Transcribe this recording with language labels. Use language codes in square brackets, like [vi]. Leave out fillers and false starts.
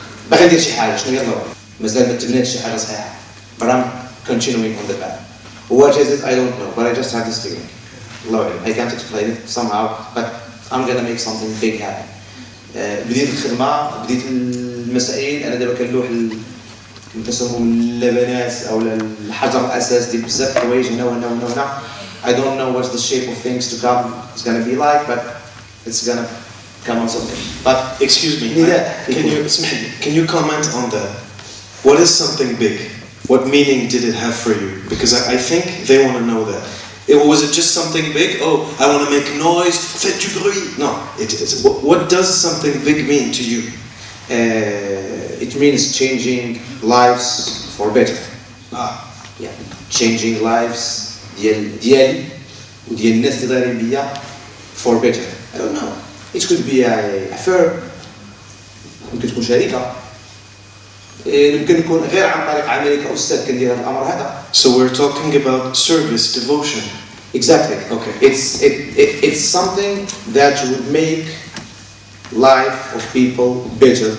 [ar] باغي ندير شي حاجه شنو هي الضروره مازال ما تبنيتش شي حاجه صحيحه [en] but I'm continuing on the path what is it I don't know but I just have this feeling love it I can't explain it somehow but I'm gonna make something big happen [ar] بديت الخدمه بديت المسائل انا دابا كنلوح كنتسمو اللبنات او الحجر الاساس ديال بزاف الحوايج هنا وهنا وهنا [en] وهنا I don't know what the shape of things to come is gonna be like but it's gonna come on something but excuse me can you comment on that what is something big what meaning did it have for you because I think they want to know that It, was it just something big? Oh, I want to make noise. [fr] Fait du bruit. [en] No, it is. What does something big mean to you? It means changing lives for better. Ah. Yeah. Changing lives [ar] ديالي وديال الناس اللي دايرين بيا [en] for better. I don't know. It could be a firm. [ar] ممكن تكون شركة. يمكن نكون غير عن طريق عملي كأستاذ كندير هذا الأمر هذا. [en] So we're talking about service, devotion. Exactly. Okay. It's something that would make life of people better.